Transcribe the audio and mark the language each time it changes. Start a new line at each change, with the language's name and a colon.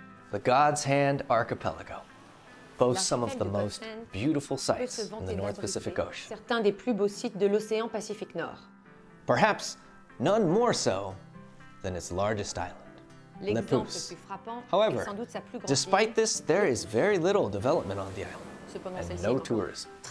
English: The God's Hand Archipelago boasts some of the most beautiful sites in the North Pacific Ocean.
French: Certains des plus beaux sites de l'océan Pacifique Nord.
English: Perhaps none more so than its largest island, Lepus. However, despite this, there is very little development on the island, and no tourists.